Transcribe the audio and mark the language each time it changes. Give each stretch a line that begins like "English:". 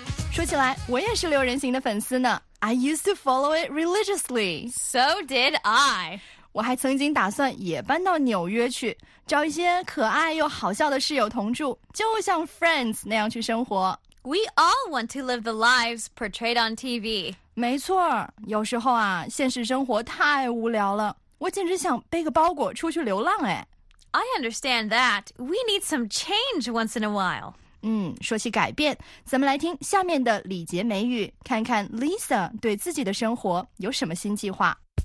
Chinese: 说起来，我也是六人行的粉丝呢。
English: I used to follow it religiously. So did I.
Chinese: 我还曾经打算也搬到纽约去，找一些可爱又好笑的室友同住，就像 Friends 那样去生活。
English: We all want to live the lives portrayed on TV.
Chinese: 没错，有时候啊，现实生活太无聊了，我简直想背个包裹出去流浪哎。
English: I understand that. We need some change once in a while.
Chinese: 说起改变，咱们来听下面的礼节美语，看看 Lisa 对自己的生活有什么新计划。